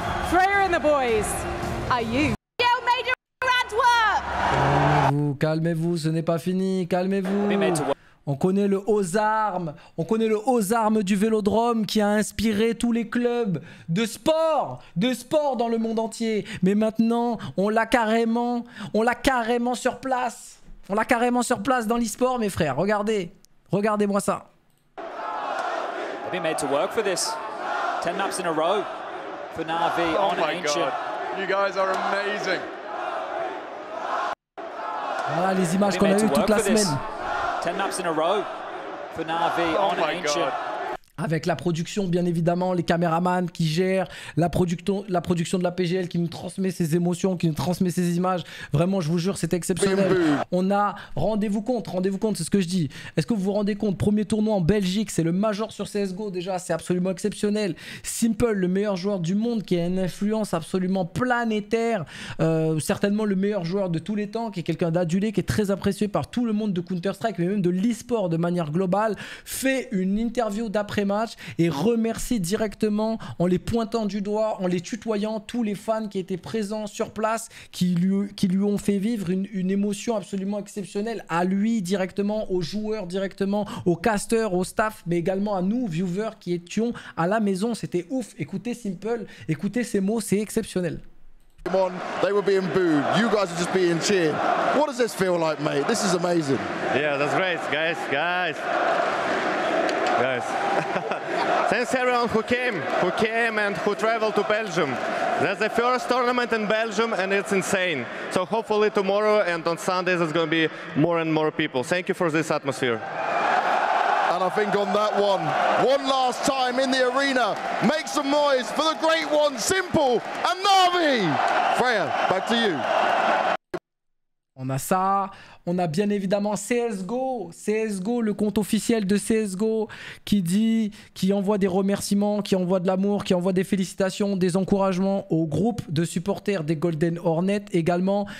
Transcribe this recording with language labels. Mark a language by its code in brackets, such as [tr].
[en] Freya and the boys, are you? Yo, Major Antwerp! [fr] Calmez-vous, ce n'est pas fini, calmez-vous. On connaît le aux armes, on connaît le aux armes du Vélodrome qui a inspiré tous les clubs de sport dans le monde entier. Mais maintenant, on l'a carrément sur place dans l'e-sport, mes frères. Regardez-moi ça. [en] I've been made to work for this. 10 laps in a row. For Na'Vi oh on my ancient. God, you guys are amazing. [fr] Voilà les images qu'on a eues toute la semaine. [en] 10 laps in a row for Na'Vi oh on ancient. God. [fr] Avec la production, bien évidemment, les caméramans qui gèrent, la production de la PGL qui nous transmet ses émotions, qui nous transmet ses images. Vraiment, je vous jure, c'était exceptionnel. On a rendez-vous compte, c'est ce que je dis. Est-ce que vous vous rendez compte? Premier tournoi en Belgique, c'est le major sur CSGO déjà, c'est absolument exceptionnel. Simple, le meilleur joueur du monde qui a une influence absolument planétaire, certainement le meilleur joueur de tous les temps, qui est quelqu'un d'adulé, qui est très apprécié par tout le monde de Counter-Strike, mais même de l'e-sport de manière globale, fait une interview d'après match et remercie directement en les pointant du doigt, en les tutoyant tous les fans qui étaient présents sur place, qui lui ont fait vivre une émotion absolument exceptionnelle à lui directement, aux joueurs directement, aux casters, aux staff, mais également à nous, viewers, qui étions à la maison. C'était ouf. Écoutez Simple, écoutez ces mots, c'est exceptionnel. [en] They were being booed. You guys are just being cheered. What does this feel like, mate? This is amazing. Yeah, that's great, guys. guys. Thanks everyone who came and who traveled to Belgium. That's the first tournament in Belgium and it's insane. So hopefully tomorrow and on Sundays it's going to be more and more people. Thank you for this atmosphere. And I think on that one last time in the arena, make some noise for the great one, Simple and Navi. Freya, back to you. [fr] On a ça, on a bien évidemment CSGO, le compte officiel de CSGO qui dit, qui envoie des remerciements, qui envoie de l'amour, qui envoie des félicitations, des encouragements au groupe de supporters des Golden Hornets également.